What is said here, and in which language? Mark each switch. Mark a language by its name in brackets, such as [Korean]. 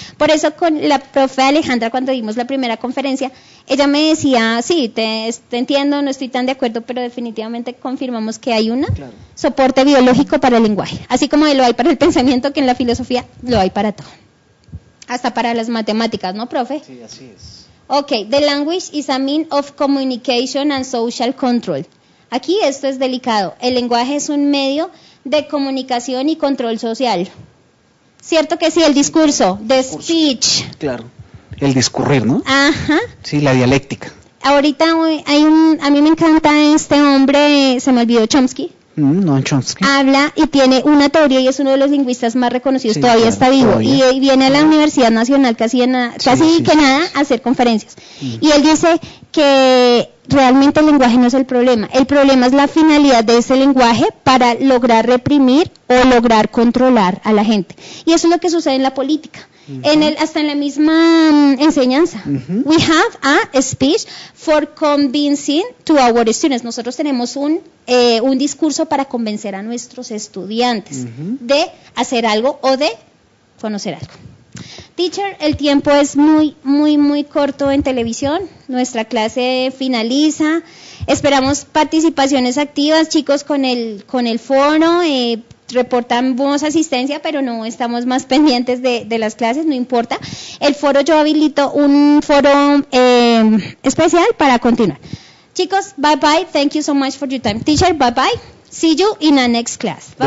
[Spanish] Por eso, con la profe Alejandra, cuando dimos la primera conferencia, ella me decía, sí, te entiendo, no estoy tan de acuerdo, pero definitivamente confirmamos que hay un soporte biológico para el lenguaje. Así como lo hay para el pensamiento, que en la filosofía lo hay para todo. Hasta para las matemáticas, ¿no, profe? Sí, así es. [English] Ok, the language is a means of communication and social control. [Spanish] Aquí esto es delicado. El lenguaje es un medio de comunicación y control social. ¿Cierto que sí? El discurso, [English] the speech. [Spanish] Claro, el discurrir, ¿no? Ajá. Sí, la dialéctica. Ahorita hay un, a mí me encanta este hombre, se me olvidó, Chomsky. Noam Chomsky. Habla y tiene una teoría y es uno de los lingüistas más reconocidos, sí, todavía, claro, está vivo. Todavía. Y viene a la Universidad Nacional casi a hacer conferencias. Uh-huh. Y él dice que realmente el lenguaje no es el problema. El problema es la finalidad de ese lenguaje para lograr reprimir o lograr controlar a la gente. Y eso es lo que sucede en la política. Uh-huh. Hasta en la misma enseñanza. Uh-huh. [English] We have a speech for convincing to our students. [Spanish] Nosotros tenemos un discurso para convencer a nuestros estudiantes, uh-huh, de hacer algo o de conocer algo. Teacher, el tiempo es muy, muy, muy corto en televisión. Nuestra clase finaliza. Esperamos participaciones activas, chicos, con el foro. Reportamos asistencia, pero no estamos más pendientes de las clases, no importa. El foro, yo habilito un foro especial para continuar. [English] Chicos, bye bye, thank you so much for your time. Teacher, bye bye, see you in the next class. Bye.